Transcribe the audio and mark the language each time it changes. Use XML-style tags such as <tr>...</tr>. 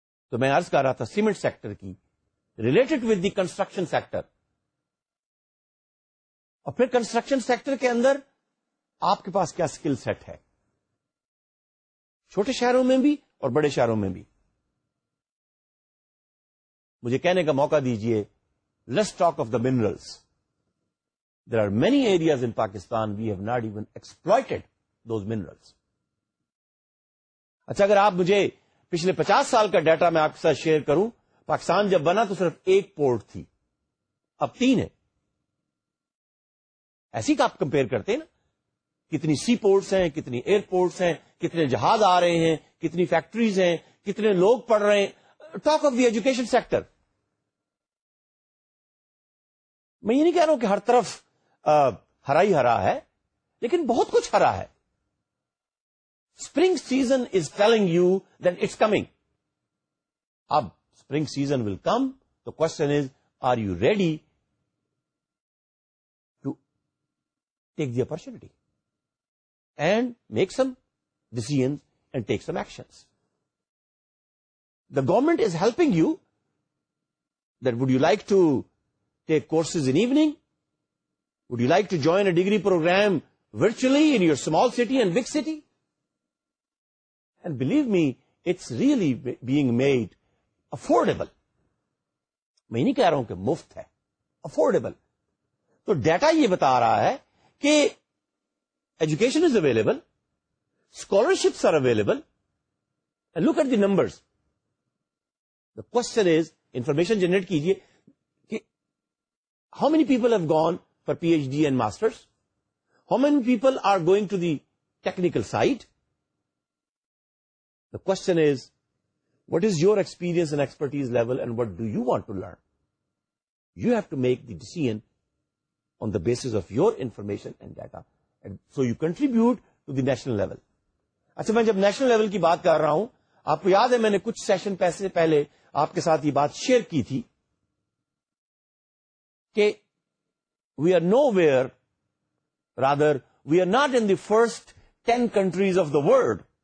<ur>تو میں عرض کر رہا تھا سیمنٹ سیکٹر کی</ur> <en>related with the construction sector,</en> <ur>اور پھر کنسٹرکشن سیکٹر کے اندر آپ کے پاس کیا اسکل سیٹ ہے چھوٹے شہروں میں بھی اور بڑے شہروں میں بھی. مجھے کہنے کا موقع دیجئے,</ur> <en>let's talk of the minerals. There are many areas in Pakistan we have not even exploited those minerals.</en> <ur>اچھا اگر آپ مجھے پچھلے 50 سال کا ڈیٹا میں آپ کے ساتھ شیئر کروں, پاکستان جب بنا تو صرف ایک پورٹ تھی, اب تین ہے. ایسی کا آپ کمپیئر کرتے ہیں نا, کتنی سی پورٹس ہیں, کتنی ایئر پورٹس ہیں, کتنے جہاز آ رہے ہیں, کتنی فیکٹریز ہیں, کتنے لوگ پڑھ رہے ہیں.</ur> <en>Talk of the education sector.</en> <ur>میں یہ نہیں کہہ رہا ہوں کہ ہر طرف ہرا ہی ہرا ہے, لیکن بہت کچھ ہرا ہے.</ur> <en>Spring season is telling you that it's coming. اب spring season will come. The question is, are you ready to take the opportunity and make some decisions and take some actions? The government is helping you, that would you like to take courses in evening? Would you like to join a degree program virtually in your small city and big city? And believe me, it's really being made affordable.</en> <ur>میں نہیں کہہ رہا ہوں کہ مفت ہے, affordable. تو data یہ بتا رہا ہے کہ</ur> <en>education is available, scholarships are available, and look at the numbers. The question is, information generate</en> <ur>کیجئے کہ</ur> <en>how many people have gone for PhD and masters? How many people are going to the technical side? The question is, what is your experience and expertise level and what do you want to learn? You have to make the decision on the basis of your information and data. And so you contribute to the national level.</en> <ur>اچھا میں جب national level کی بات کر رہا ہوں آپ کو یاد ہے میں نے کچھ سیشن پہلے آپ کے ساتھ یہ بات شیئر کی تھی کہ</ur> <en>we are nowhere rather we are not in the first 10 countries of the world</en>